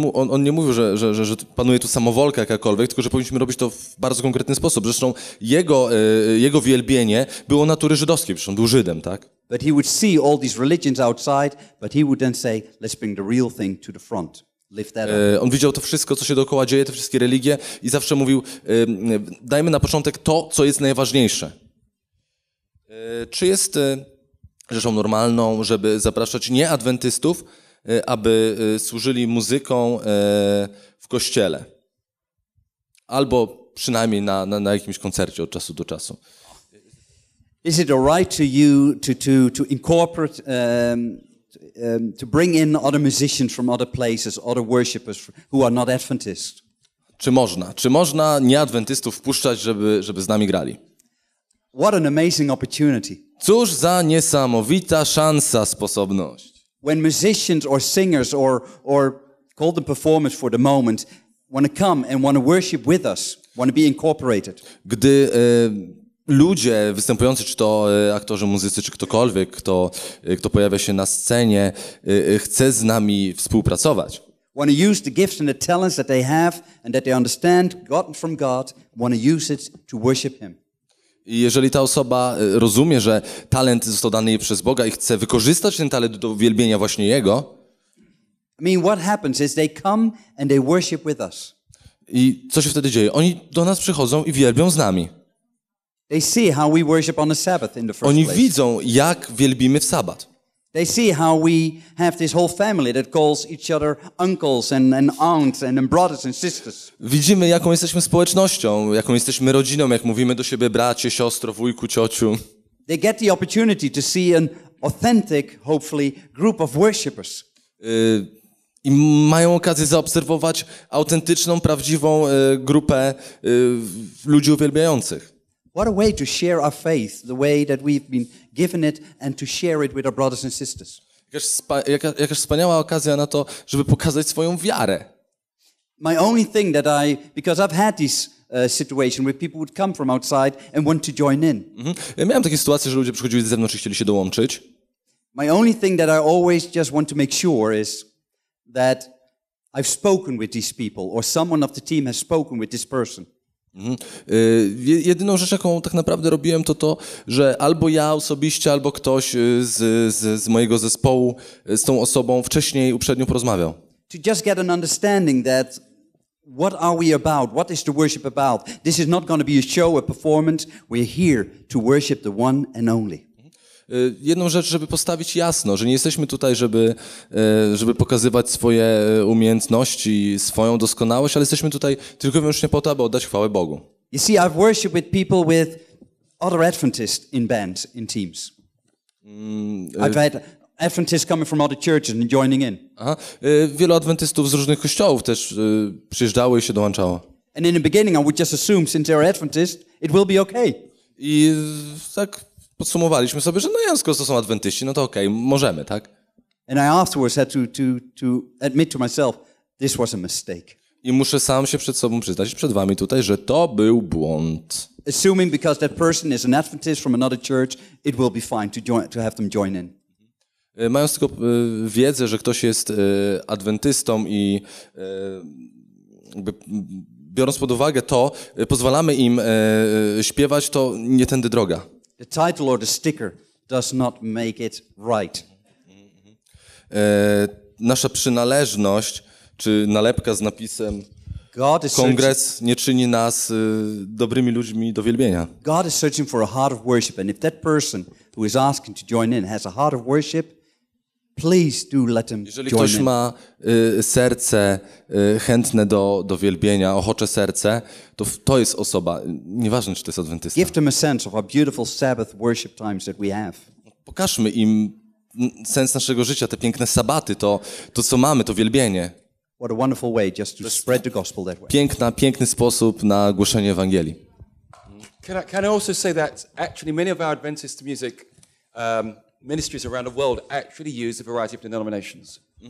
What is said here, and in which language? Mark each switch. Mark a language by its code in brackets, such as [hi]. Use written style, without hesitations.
[pl] On nie mówił, że panuje tu samowolka jakakolwiek, tylko że powinniśmy robić to w bardzo konkretny sposób. Zresztą jego wielbienie było natury żydowskiej, przecież on był Żydem, tak? [en] But he would see all these religions outside, but he would then say, let's bring the real thing to the front. [pl] On widział to wszystko, co się dookoła dzieje, te wszystkie religie i zawsze mówił, dajmy na początek to, co jest najważniejsze. Czy jest rzeczą normalną, żeby zapraszać nieadwentystów, aby służyli muzyką w kościele? Albo przynajmniej na jakimś koncercie od czasu do czasu. [en] Is it all right to you to incorporate to bring in other musicians from other places, other worshipers who are not Adventists? [pl] Czy można? Czy można nieadwentystów wpuszczać, żeby z nami grali? [en] What an amazing opportunity. [pl] Cóż za niesamowita szansa, sposobność. [en] When musicians or singers or call them performers for the moment want to come and want to worship with us, want to be incorporated. [pl] Gdy ludzie występujący, czy to aktorzy, muzycy, czy ktokolwiek, kto pojawia się na scenie, chce z nami współpracować. [en] Want to use the gifts and the talents that they have and that they understand gotten from God, want to use it to worship him. [pl] I jeżeli ta osoba rozumie, że talent został dany jej przez Boga i chce wykorzystać ten talent do uwielbienia właśnie Jego. [en] I mean, what happens is they come and they worship with us. [pl] I co się wtedy dzieje? Oni do nas przychodzą i wielbią z nami. [en] They see how we worship on the Sabbath in the first [pl] Oni [en] place. [pl] Widzą, jak wielbimy w sabat. [en] They see how we have this whole family that calls each other uncles and aunts and brothers and sisters. [pl] Widzimy, jaką jesteśmy społecznością, jaką jesteśmy rodziną, jak mówimy do siebie bracie, siostro, wujku, ciociu. [en] They get the opportunity to see an authentic, hopefully, group of worshippers. [pl] I mają okazję zaobserwować autentyczną, prawdziwą grupę ludzi uwielbiających. [en] What a way to share our faith, the way that we've been given it, and to share it with our brothers and sisters. [pl] Jakaż wspaniała okazja na to, żeby pokazać swoją wiarę. [en] My only thing that I, because I've had this situation where people would come from outside and want to join in. [pl] Ja miałem takie sytuacje, że ludzie przychodzili ze zewnątrz i chcieli się dołączyć. [en] My only thing that I always just want to make sure is that I've spoken with these people, or someone of the team has spoken with this person. Mm-hmm. [pl] Jedyną rzecz, jaką tak naprawdę robiłem, to to, że albo ja osobiście, albo ktoś z mojego zespołu z tą osobą wcześniej, uprzednio porozmawiał. [en] To just get an understanding that what are we about? What is the worship about? This is not going to be a show, a performance. We're here to worship the one and only. [pl] Jedną rzecz, żeby postawić jasno, że nie jesteśmy tutaj, żeby pokazywać swoje umiejętności, swoją doskonałość, ale jesteśmy tutaj tylko i wyłącznie po to, aby oddać chwałę Bogu. [en] You see, I've worshiped with people with other Adventists in bands, in teams. I've had Adventists coming from other churches and joining in. [pl] Aha, wielu Adwentystów z różnych kościołów też przyjeżdżało i się dołączało. [en] And in the beginning I would just assume, since they're Adventists, it will be okay. [pl] I tak podsumowaliśmy sobie, że no ja, skoro to są adwentyści, no to okej, okay, możemy, tak? [en] And I afterwards had to admit to myself, this was a mistake. [pl] I muszę sam się przed sobą przyznać, przed wami tutaj, że to był błąd. [en] Assuming because that person is an Adventist from another church, it will be fine to have them join in. [pl] Mając tylko wiedzę, że ktoś jest adwentystą i biorąc pod uwagę to, pozwalamy im śpiewać, to nie tędy droga. [en] The title or the sticker does not make it right. [pl] Nasza przynależność, czy nalepka z napisem Kongres nie czyni nas dobrymi ludźmi do wielbienia. [en] God is searching for a heart of worship, and if that person who is asking to join in has a heart of worship, please do let them join in. [pl] Jeżeli ktoś ma serce chętne do wielbienia, ochocze serce, to jest osoba, nieważne czy to jest adwentysta. [en] Give them a sense of our beautiful Sabbath worship times that we have. [pl] Pokażmy im sens naszego życia, te piękne sabaty, to co mamy, to wielbienie. [en] What a wonderful way just to spread the gospel that way. [pl] Piękny sposób na głoszenie Ewangelii. [en] Can I also say that actually many of our Adventist music ministries around the world actually use a variety of denominations.